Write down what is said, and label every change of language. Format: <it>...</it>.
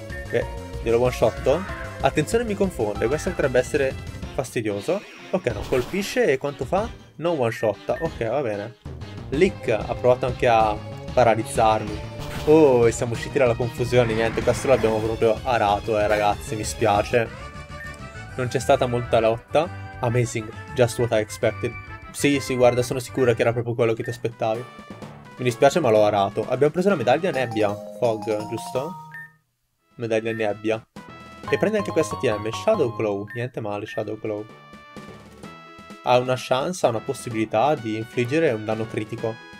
<it>Beh, glielo one shotto. Attenzione, mi confonde, questo potrebbe essere fastidioso. Ok, no, colpisce e quanto fa? Non one shotta. Ok, va bene. Lick ha provato anche a paralizzarmi. Oh, e siamo usciti dalla confusione, niente, questo l'abbiamo proprio arato, ragazzi, mi spiace. Non c'è stata molta lotta.</it> <en>Amazing, just what I expected.</en> <it>Sì, guarda, sono sicura che era proprio quello che ti aspettavi. Mi dispiace, ma l'ho arato. Abbiamo preso la medaglia nebbia. Fog, giusto? Medaglia nebbia. E prende anche questa TM. Shadow Claw. Niente male, Shadow Claw. Ha una chance, ha una possibilità di infliggere un danno critico.</it>